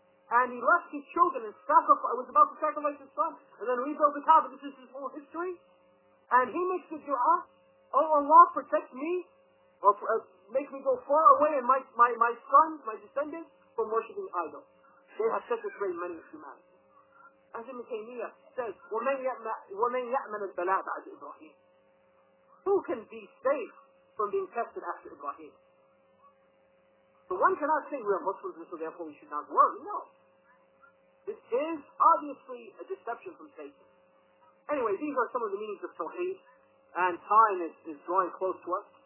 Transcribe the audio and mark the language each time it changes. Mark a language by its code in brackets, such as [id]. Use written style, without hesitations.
[en] And he left his children and was about to sacrifice his son. And then rebuild the Kaaba. This is his whole history. And he makes the dua, oh Allah, protect me, or make me go far away and my son, my descendants, from worshipping idols. They have set this way many humanity. As Ibn Taymiyyah says, [ar] وَمَنْ يَأْمَنَ الْبَلَاءَ بَعْدِ إِبْرَاهِيمِ. [en] Who can be safe from being tested after Ibrahim? So one cannot say we are Muslims and so therefore we should not worry. No. This is obviously a deception from Satan. Anyway, these are some of the meanings of Tawheed, and time is drawing close to us.